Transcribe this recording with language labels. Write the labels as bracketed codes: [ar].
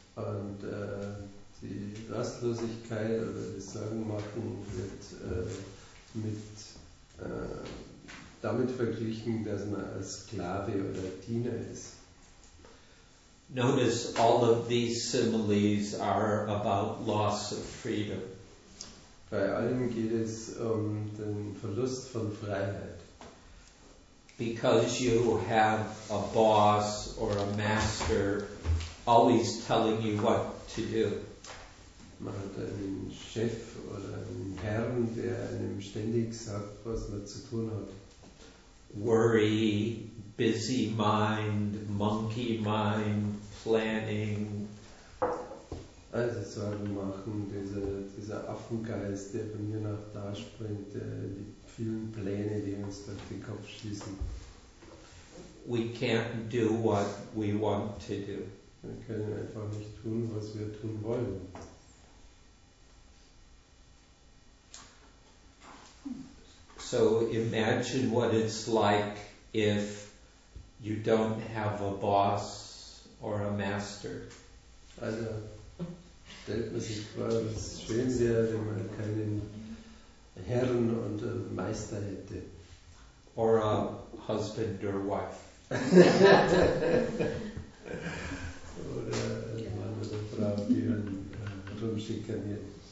[de] Und die Rastlosigkeit oder die Sorgenmachen wird damit verglichen, dass man als Sklave oder Diener ist. [en] Notice all of these similes are about loss of freedom. [de] Bei allem geht es um den Verlust von Freiheit. [en] Because you have a boss or a master always telling you what to do. [de] Man hat einen Chef oder einen Herrn, der einem ständig sagt, was man zu tun hat. [en] Worry, busy mind, monkey mind, planning. [de] Also Sorgen machen, dieser Affengeist, der von mir nach da springt, die vielen Pläne, die uns durch den Kopf schießen. [en] We can't do what we want to do. [de] Wir können einfach nicht tun, was wir tun wollen. [en] So imagine what it's like if you don't have a boss or a master. [de] Also stellt man sich vor, was schön wäre, wenn man keinen Herrn und Meister hätte. [en] Or a husband or wife. [de] Oder ein Mann oder Frau, die einen rumschikaniert.